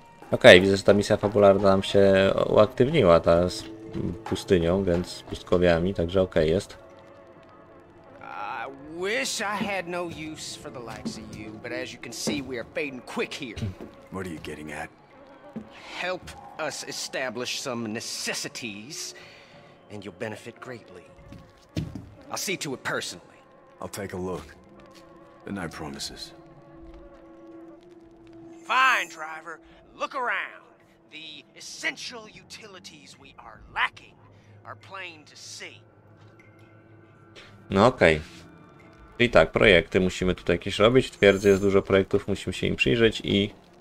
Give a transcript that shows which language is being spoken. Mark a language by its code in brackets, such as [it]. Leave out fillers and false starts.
[pl] Okej, widzę, że ta misja fabularna nam się uaktywniła, ta z pustynią, więc z pustkowiami, także okej jest. [en] Wish I had no use for the likes of you, but as you can see, we are fading quick here. What are you getting at? Help us establish some necessities, and you'll benefit greatly. I'll see to it personally. I'll take a look. The night promises. Fine, driver. Look around. The essential utilities we are lacking are plain to see. [pl] No okej. Czyli tak, projekty musimy tutaj jakieś robić. W twierdzy jest dużo projektów, musimy się im przyjrzeć i...